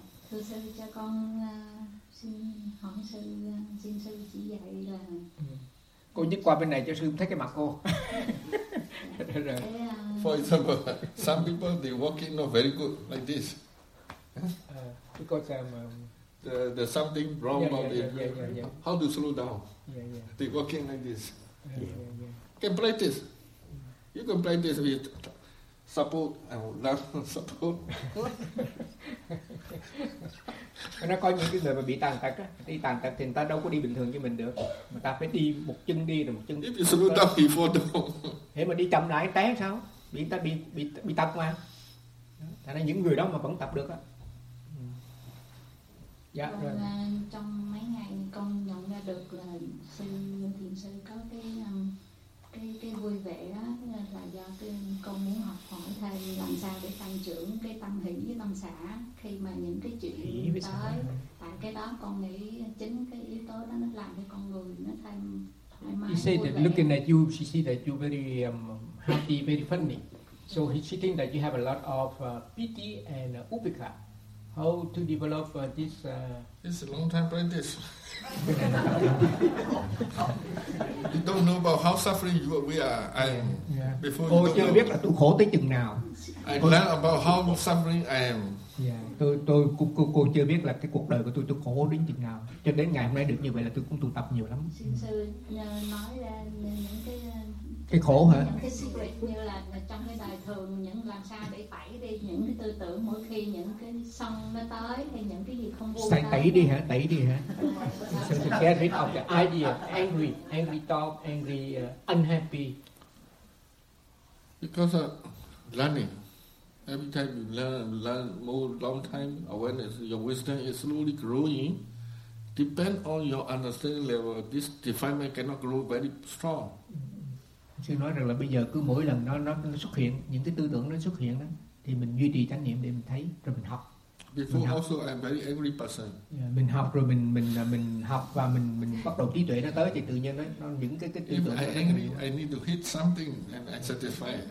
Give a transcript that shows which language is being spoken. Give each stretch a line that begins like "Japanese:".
Vietnamese: Thưa sư, cho con xin hỏi sư, xin sư chỉ dạy là cô nhích qua bên này cho sư thấy cái mặt cô.
English: For example, some people they walking not very good like this. Because there's something wrong about it. Yeah. How to slow down? Yeah. They're walking like this. Yeah. Can play this. You can play this with support and love support.
Vietnamese: Cái nó có những cái người mà bị tàn tật á, đi tàn tật thì người ta đâu có đi bình thường như mình được, mà ta phải đi một chân đi rồi một chân.
English: If you slow down, you fall down.
Vietnamese: Thế mà đi chậm lại té sao? Bị ta bị tập mà. Thành ra những người đó mà vẫn tập được á. Dạ, còn trong mấy ngày con nhận ra được là sư thiền sư có cái vui vẻ đó là do con muốn học hỏi thầy làm sao để tăng trưởng cái tâm hỷ với tâm xả khi mà những cái chuyện tới, tại cái đó con nghĩ chính cái yếu tố đó nó làm cho con người nó thêm thoải mái.
English: She said that looking at you, she see that you very happy, very funny. So she thinks that you have a lot of pity and upekkha. How to develop this? It's a long time practice. You don't know about how suffering you are, we are. I am. Yeah. Before you don't know.
Vietnamese: Biết là tôi khổ tới chừng nào.
English: I learn about how suffering I am. Yeah.
Vietnamese: Tôi cô chưa biết là cái cuộc đời của tôi khổ đến chừng nào. Cho đến ngày hôm nay được như vậy là tôi cũng tu tập nhiều lắm. Xin sư nhờ nói ra những cái khổ hả? Những cái secret như là trong cái đời thường những làm sao để tẩy đi những cái tư tưởng mỗi khi những cái sông nó tới hay những cái gì không vui. Sai tẩy đi hả? Tẩy đi hả?
English: So to get rid of the idea, angry talk, angry, unhappy. Because of learning. Every time you learn more long time awareness, your wisdom is slowly growing. Depend on your understanding level, this defilement cannot grow very strong.
Vietnamese: Sư nói rằng là bây giờ cứ mỗi lần nó xuất hiện, những cái tư tưởng nó xuất hiện đó, thì mình duy trì chánh niệm để mình thấy rồi mình học.
English: Before
Vietnamese: mình học.
English: Also, I'm very angry person.
Vietnamese: Yeah, mình học rồi mình học và mình bắt đầu trí tuệ nó tới thì tự nhiên nó những cái tư
English: If
Vietnamese: tưởng.
English: If I angry, I need to hit something and I satisfy.